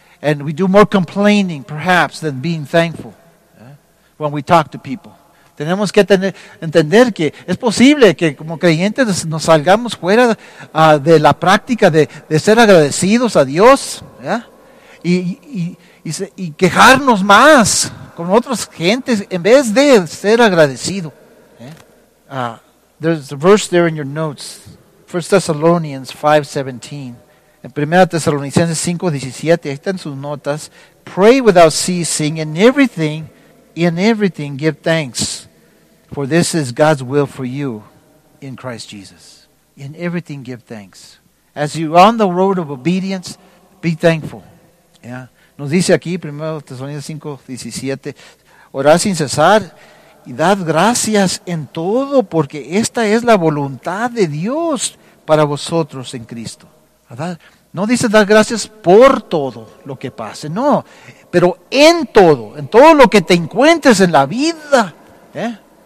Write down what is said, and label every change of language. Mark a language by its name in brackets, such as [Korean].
[English] And we do more complaining, perhaps, than being thankful, yeah, when we talk to people. [Spanish] Tenemos que entender que es posible que como creyentes nos salgamos fuera de la práctica de ser agradecidos a Dios, ¿verdad? Y quejarnos más con otras gentes en vez de ser agradecido. [English] There's a verse there in your notes. 1 Thessalonians 5:17. [Spanish] En 1 Thessalonicenses 5:17, ahí están sus notas. [English] Pray without ceasing in everything give thanks. For this is God's will for you in Christ Jesus. In everything give thanks. As you're on the road of obedience, be thankful. Yeah. [Spanish] Nos dice aquí, 1 Tesalonicenses 5:17, orad sin cesar y dad gracias en todo porque esta es la voluntad de Dios para vosotros en Cristo. ¿Verdad? No dice dar gracias por todo lo que pase, no. Pero en todo lo que te encuentres en la vida. ¿Eh?